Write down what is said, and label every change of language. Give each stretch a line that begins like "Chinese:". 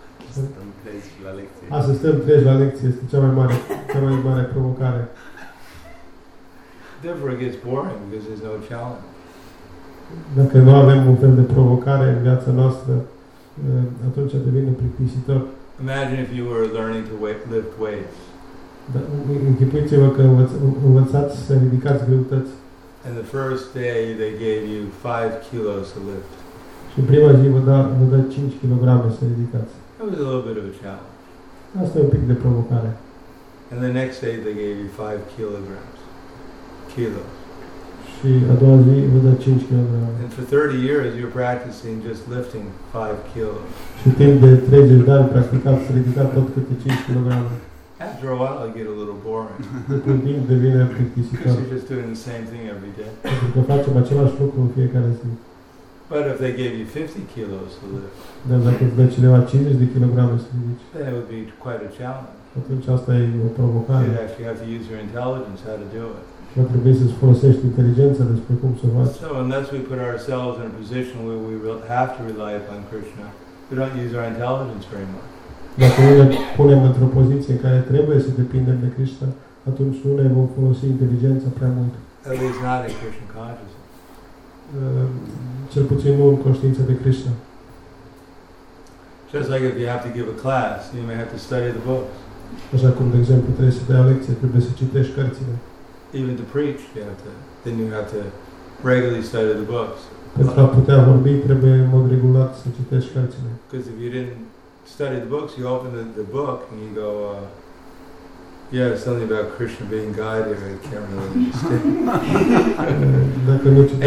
Romanian: Să stăm treci la lecție este cea mai mare provocare.
English: Therefore it gets boring because there's no challenge.
Romanian: Dacă nu avem un fel de provocare în viața noastră, atunci devine plictisitor.
English: Imagine if you were learning to lift weights.
Romanian: Închipuiți-vă că învățați să ridicați greutăți.
English: And the first day they gave you 5 kilos to lift.
Romanian: Și prima zi vă dă 5 kilograme să ridicați.
English: That was a little bit of a challenge.
Romanian: Asta e un pic de provocare.
English: And the next day they gave you 5 kilograms. Kilos.
Romanian: Și a doua zi vă dă 5 kilograme.
English: And for 30 years you're practicing just lifting 5 kilos.
Romanian: Și timp de 30 de ani practicați să ridicați tot câte 5 kilograme.
English: After a while it gets a little boring.
Romanian: După un timp devine plictisitor.
English: Because you're just doing the same thing every day.
Romanian: Pentru că facem același lucru în fiecare zi.
English: But if they gave you 50 kilos to lift, then
Romanian: dacă îți dă cineva 50 de kilograme să ridici,
English: then it would be quite a challenge.
Romanian: Atunci asta e o provocare.
English: You'd actually have to use your intelligence how to do it.
Romanian: Va trebui să-ți folosești inteligența despre cum să faci.
English: So unless we put ourselves in a position where we have to rely upon Krishna, we don't use our intelligence very much.
Romanian: Dacă noi ne punem într-o poziție în care trebuie să depindem de Krishna, atunci nu ne vom folosi inteligența prea mult.
English: At least not in Krishna consciousness.
Romanian: Cel puțin nu în conștiința de Krishna.
English: Just like if you have to give a class, you may have to study the books.
Romanian: Așa cum, de exemplu, trebuie să dai lecție, trebuie să citești cărțile.
English: Even to preach, you have to regularly study the books.
Romanian: Pentru a putea vorbi, trebuie în mod regulat să citești cărțile.
English: Because if you didn't study the books, you open the book and you go, yeah, it's something about Krishna being God here, I can't really understand.